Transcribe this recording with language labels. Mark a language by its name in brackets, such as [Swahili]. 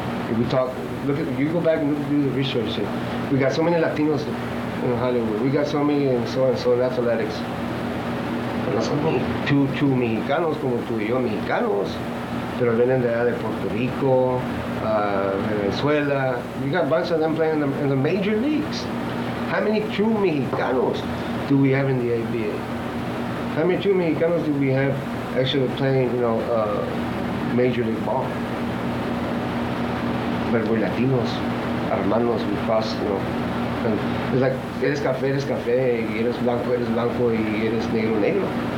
[English] If we talk, look at, you go back and do the research. We got so many Latinos in Hollywood. We got so many and so in athletics. [Spanish] Two Mexicanos como tú y yo, Mexicanos, pero vienen de allá de Puerto Rico, Venezuela. [English] You got a bunch of them playing in the major leagues. How many true Mexicanos do we have in the ABA? How many true Mexicanos do we have actually playing, you know, major league ball? But we're Latinos, hermanos, we cross, you know. And it's like, [Spanish] eres café, eres blanco, y eres negro, negro.